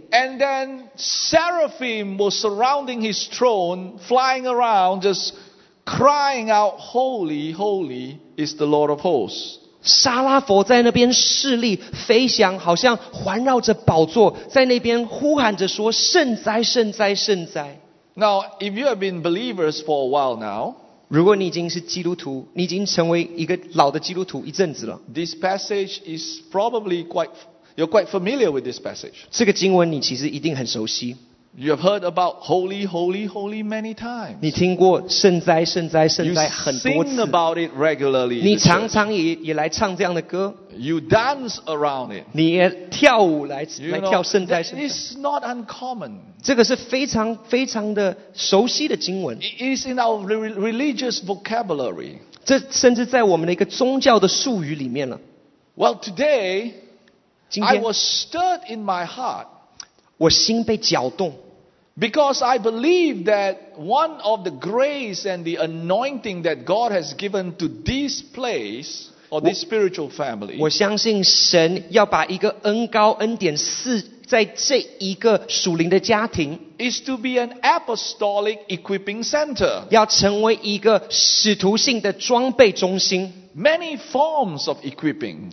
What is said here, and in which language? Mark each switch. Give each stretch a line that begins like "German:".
English: And then seraphim was surrounding his throne, flying around, just crying out, "Holy, holy is the Lord of hosts."
Chinese: 撒拉佛在那边侍立飞翔，好像环绕着宝座，在那边呼喊着说：“圣哉，圣哉，圣哉。”
English: Now, if you have been believers for a while now,
Chinese: 如果你已经是基督徒，你已经成为一个老的基督徒一阵子了。
English: This passage is probably you're quite familiar with this passage.
Chinese: 这个经文你其实一定很熟悉。
English: You have heard about holy, holy, holy many times.
Chinese: 你听过圣哉、圣哉、圣哉很多次。
English: You sing about it regularly.
Chinese: 你常常也来唱这样的歌。
English: You dance around it.
Chinese: 你也跳舞来跳圣哉、圣哉。
English: It's not uncommon.
Chinese: 这个是非常非常的熟悉的经文。
English: It is in our religious vocabulary.
Chinese: 这甚至在我们的一个宗教的术语里面了。
English: Well, today, I was stirred in my heart.
Chinese: 我心被搅动。
English: Because I believe that one of the grace and the anointing that God has given to this place. Or this spiritual family.
Chinese: 我相信神要把一个恩高恩典赐在这一个属灵的家庭
English: is to be an apostolic equipping center.
Chinese: 要成为一个使徒性的装备中心
English: Many forms of equipping.